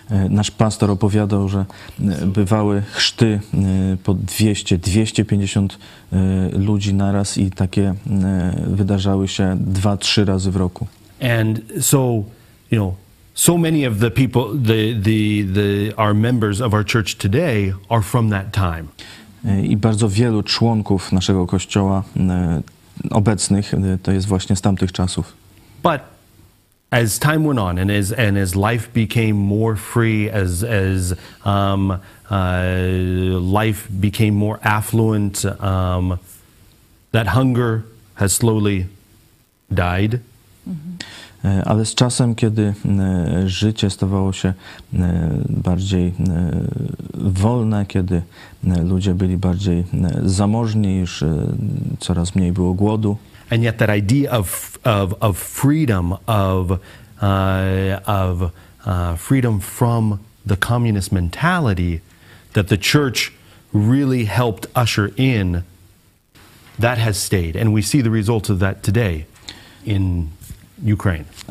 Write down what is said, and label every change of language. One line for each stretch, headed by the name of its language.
Polish: Nasz pastor opowiadał, że bywały chrzty po 200-250 ludzi naraz i takie wydarzały się 2-3 razy w roku.
English: And so, you know, so many of the people, the our members of our church today are from that time.
Polish: I bardzo wielu członków naszego kościoła obecnych to jest właśnie z tamtych czasów.
English: But as time went on and as life became more free, as life became more affluent, that hunger has slowly died.
Polish: Ale z czasem, kiedy życie stawało się bardziej wolne, kiedy ludzie byli bardziej zamożni, już coraz mniej było głodu.
English: And yet that idea of freedom, of freedom from the communist mentality that the church really helped usher in, that has stayed. And we see the results of that today in Ukraine.